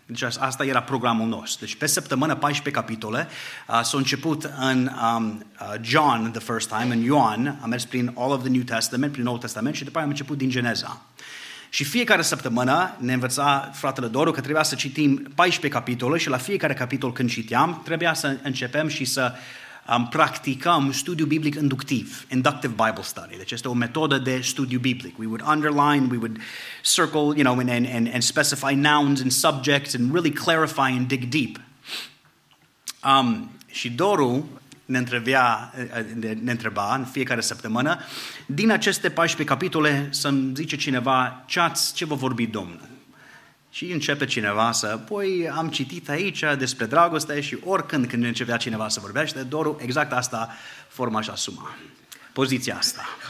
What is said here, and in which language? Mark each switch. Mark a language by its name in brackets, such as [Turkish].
[Romanian] Deci asta era programul nostru. Deci pe săptămână 14 capitole s-au început în John [English] the first time, [Romanian] în Ioan, am mers prin [English] all of the New Testament, [Romanian] prin Noul Testament și după aia am început din Geneza. Și fiecare săptămână ne învăța fratele Doru că trebuia să citim 14 capitole și la fiecare capitol când citeam trebuia să începem și să practicăm studiu biblic inductiv, [English] inductive Bible study. [Romanian] Deci este o metodă de studiu biblic. [English] We would underline, we would circle, you know, and specify nouns and subjects and really clarify and dig deep. [Romanian] Și Doru ne întreba în fiecare săptămână, din aceste 14 capitole să-mi zice cineva ce vă vorbi Domnul. Și începe cineva să, păi am citit aici despre dragoste și oricând când începea cineva să vorbește, Doru, exact asta, forma și asuma, poziția asta.